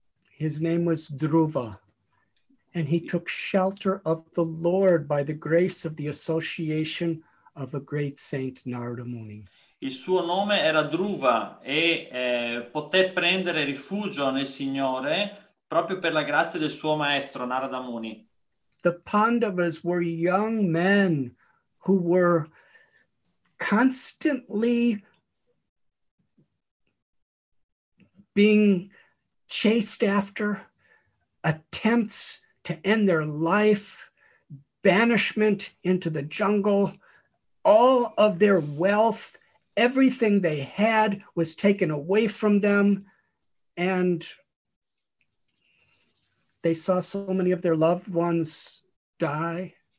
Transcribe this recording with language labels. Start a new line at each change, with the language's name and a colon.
English: His name was Dhruva, and he took shelter of the Lord by the grace of the association of a great saint, Narada Muni.
Italian: Il suo nome era Dhruva e poté prendere rifugio nel Signore proprio per la grazia del suo maestro, Narada Muni.
English: The Pandavas were young men who were constantly being chased after, attempts to end their life, banishment into the jungle, all of their wealth, everything they had was taken away from them, and they saw so many of their loved ones die.